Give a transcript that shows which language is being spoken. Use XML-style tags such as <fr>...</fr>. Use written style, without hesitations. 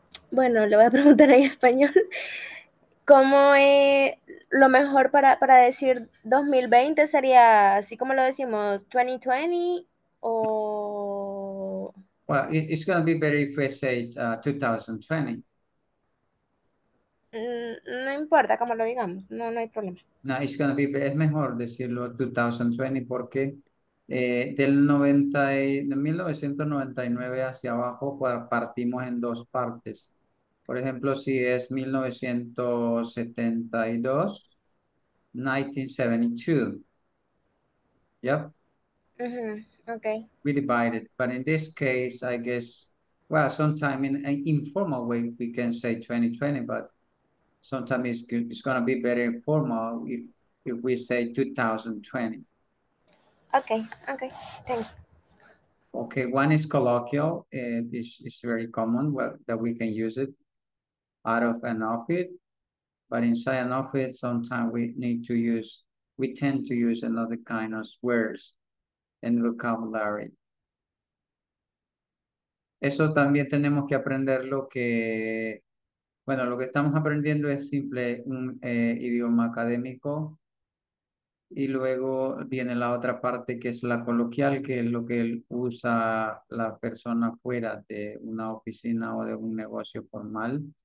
<es>Bueno, le voy a preguntar en español. ¿Cómo es lo mejor para decir 2020? ¿Sería así como lo decimos, 2020 o...?</es> <en>Well, it's going to be better if we say 2020.</en> <es>No importa como lo digamos, no hay problema.</es> <en>No, it's going to be better.</en> <es>Es mejor decirlo 2020 porque del 90 y, de 1999 hacia abajo partimos en dos partes. Por ejemplo, si es 1972, 1972. Yep. Mm-hmm. Okay.</es> <en>We divided. But in this case, I guess, well, sometime in an informal way, we can say 2020, but sometimes it's going to be very informal if we say 2020. Okay. Thank you. Okay. One is colloquial. It's very common that we can use it out of an office, but inside an office, sometimes we tend to use another kind of words and vocabulary.</en> <es>Eso también tenemos que aprender lo que, bueno, lo que estamos aprendiendo es simple un idioma académico, y luego viene la otra parte que es la coloquial, que es lo que usa la persona fuera de una oficina o de un negocio formal.</es>